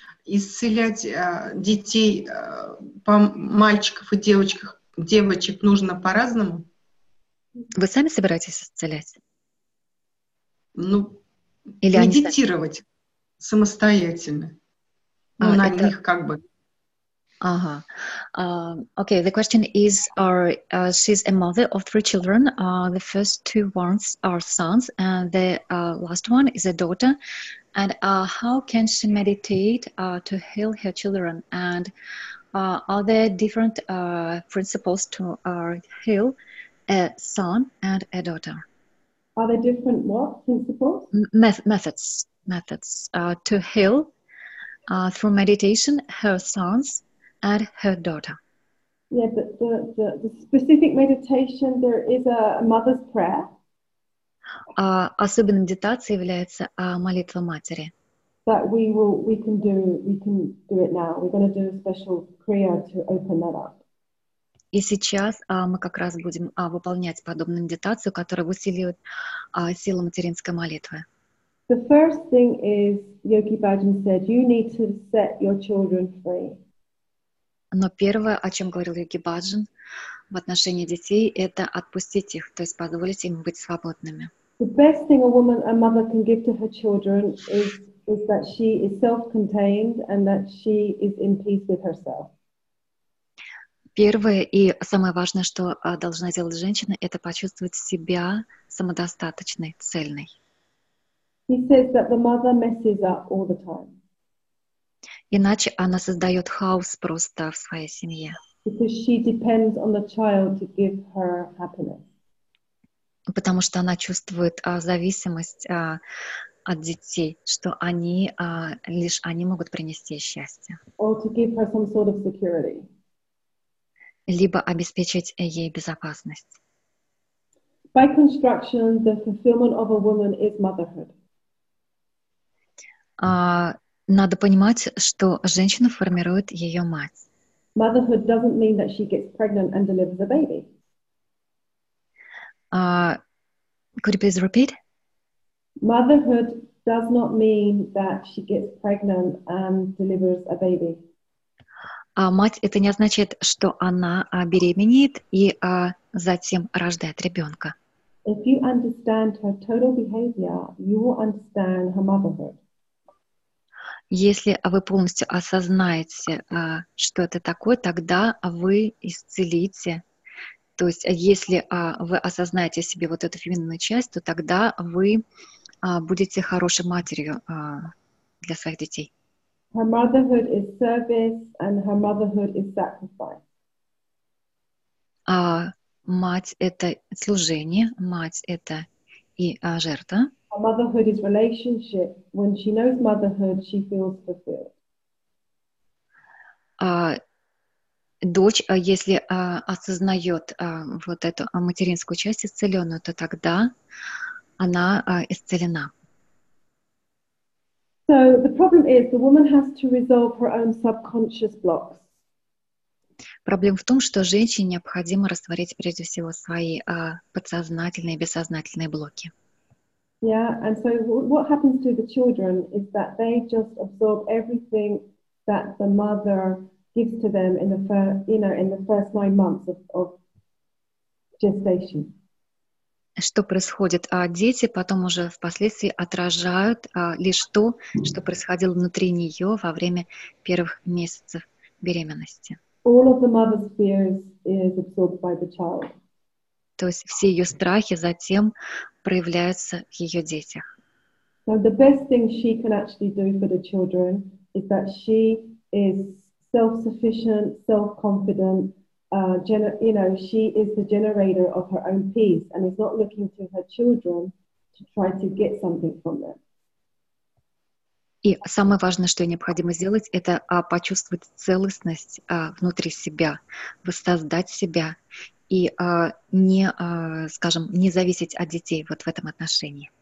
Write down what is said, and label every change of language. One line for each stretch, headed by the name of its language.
Russian: Исцелять детей по мальчиков и девочек нужно по-разному? Вы сами собираетесь исцелять? Ну, или медитировать самостоятельно. Ну, на это... них как бы. Ага.
English: Okay, the question is, she's a mother of three children. The first two ones are sons, and the last one is a daughter. And how can she meditate to heal her children? And are there different principles to heal a son and a daughter? Are there different what principles? Methods to heal through meditation her sons and her daughter. Yeah, but the specific meditation, there is a mother's prayer.
Russian: Особенной медитацией является молитва матери.
English: That we can do it now. We're going to do a special kriya to open that up.
Russian: И сейчас мы как раз будем выполнять подобную медитацию, которая усиливает силу материнской молитвы.
English: The first thing is, Yogi Bhajan said, you need to set your children free.
Russian: Но первое, о чем говорил Йоги Баджан в отношении детей, это отпустить их, то есть позволить им быть свободными.
English: The best thing a woman, a mother can give to her children is that she is self-contained and that she is in peace with herself.
Russian: Первое и самое важное, что должна делать женщина, это почувствовать себя самодостаточной, цельной.
English: He says that the mother messes up all the time.
Russian: Иначе она создает хаос просто в своей семье.
English: Because she depends on the child to give her happiness.
Russian: Потому что она чувствует зависимость от детей, что они лишь они могут принести счастье.
English: Or to give her some sort of security.
Russian: Либо обеспечить ей безопасность.
English: By construction, the fulfillment of a woman is motherhood.
Russian: Надо понимать, что женщина формирует ее мать.
English: Motherhood doesn't mean that she gets pregnant and delivers a baby. Could you please repeat? Motherhood does not mean that she gets pregnant and delivers a baby.
Russian: Мать — это не означает, что она беременеет и затем рождает ребенка.
English: If you understand her total behavior, you will understand her motherhood.
Russian: Если вы полностью осознаете, что это такое, тогда вы исцелите. То есть если вы осознаете себе вот эту феминную часть, то тогда вы будете хорошей матерью для своих детей.
English: Her motherhood is service and her motherhood is sacrifice.
Russian: Мать — это служение, мать — это и жертва.
English: A motherhood is relationship. When she knows motherhood, she feels fulfilled.
Russian: Дочь, если осознает вот эту материнскую часть исцеленную, то тогда она исцелена.
English: So the problem is the woman has to resolve her own subconscious blocks.
Russian: Проблема в том, что женщине необходимо растворить прежде всего свои подсознательные и бессознательные блоки.
English: Yeah, and so what happens to the children is that they just absorb everything that the mother gives to them in the first 9 months of gestation.
Russian: Что происходит? Дети потом уже впоследствии отражают лишь то, что происходило внутри нее во время первых месяцев беременности.
English: All of the mother's fears is absorbed by the child.
Russian: То есть все ее страхи затем проявляются в ее детях.
English: So the best thing she can actually do for the children is that she is self-sufficient, self-confident. She is the generator of her own peace and is not looking to her children to try to get something from them.
Russian: И самое важное, что необходимо сделать, это почувствовать целостность внутри себя, воссоздать себя и не зависеть от детей вот в этом отношении.